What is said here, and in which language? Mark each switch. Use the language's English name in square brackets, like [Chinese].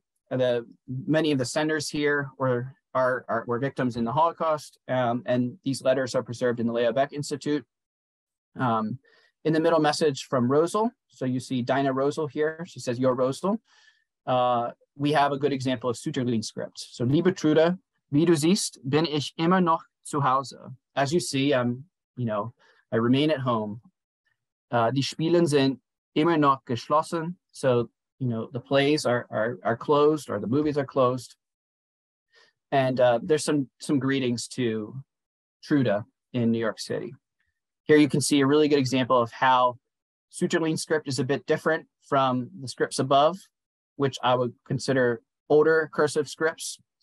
[English] Many of the senders here were victims in the Holocaust, and these letters are preserved in the Leo Beck Institute. In the middle, message from Rosal. So you see Dinah Rosal here. She says, "Your Rosal." We have a good example of pseudolein script. [German] So, "Liebe Trude, wie du siehst, bin ich immer noch zu Hause. [English] As you see, I remain at home. [German] Die Spielen sind immer noch geschlossen." [English] So, the plays are closed, or the movies are closed. And there's some greetings to Trude in New York City. Here you can see a really good example of how pseudolein script is a bit different from the scripts above, which I would consider older cursive scripts.